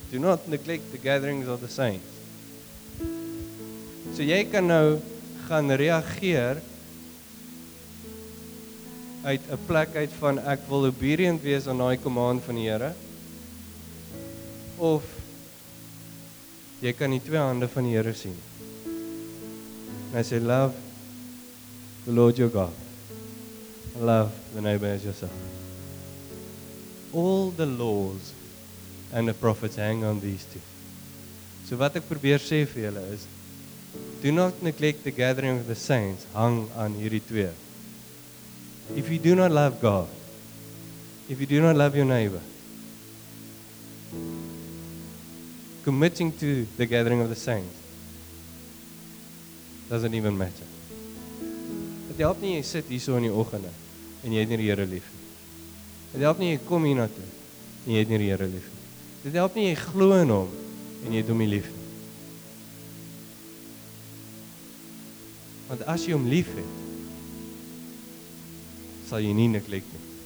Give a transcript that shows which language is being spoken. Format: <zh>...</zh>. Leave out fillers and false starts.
<en>Do not neglect the gatherings of the saints.</en> <af>So jy kan nou gaan reageer uit 'n plek uit van ek wil obedient wees aan daai command van die Here. Of jy kan die twee hande van die Here sien. En hy sê,</af> <en>love the Lord your God. Love the neighbor as yourself. All the laws and the prophets hang on these two.</en> <af>So wat ek probeer sê vir julle is,</af> <en>do not neglect the gathering of the saints,</en> <af>hang aan hierdie twee.</af> <en>If you do not love God, if you do not love your neighbor, committing to the gathering of the saints doesn't even matter.</en> <af>Dit help nie jy sit hier so in die oggende en jy het nie die Here lief nie. Dit help nie jy kom hier na toe en jy het nie die Here lief nie. Dit help nie jy glo in hom en jy het hom nie lief nie. Want as jy hom lief het, sal jy nie neglect nie.</af>